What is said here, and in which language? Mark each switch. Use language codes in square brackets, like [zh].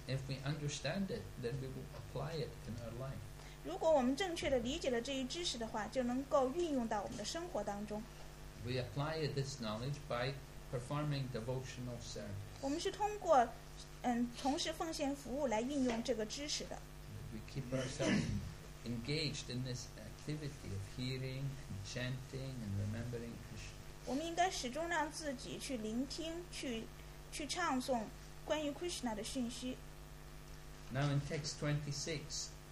[en] if we understand it, then we will apply it in our life. [zh] 如果我们正确地理解了这一知识的话，就能够运用到我们的生活当中。 [en] We apply this knowledge by performing devotional service. [zh] 我们是通过从事奉献服务来运用这个知识的。 [en] We keep ourselves engaged in this activity of hearing, and chanting, and remembering Krishna. [zh] 我们应该始终让自己去聆听、去唱诵关于 Krishna 的讯息。 [en] Now in text 26.